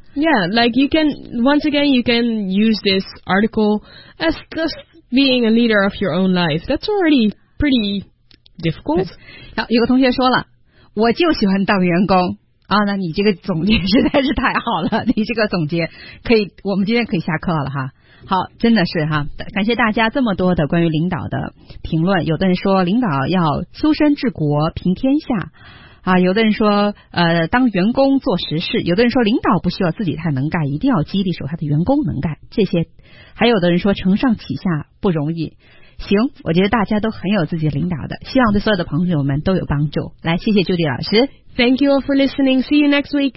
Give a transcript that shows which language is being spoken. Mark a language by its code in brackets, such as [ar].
[en] Yeah, like you can, once again, you can use this article as just being a leader of your own life. That's already pretty difficult. [zh] 好，有个同学说了，我就喜欢当员工。啊，那你这个总结实在是太好了，你这个总结可以，我们今天可以下课了哈。好，真的是哈，感谢大家这么多的关于领导的评论。有的人说领导要修身治国平天下啊，有的人说当员工做实事，有的人说领导不需要自己太能干，一定要激励手下的员工能干，这些还有的人说承上启下不容易。行，我觉得大家都很有自己领导的，希望对所有的朋友们都有帮助。来，谢谢Judy老师。 [en] Thank you all for listening. See you next week.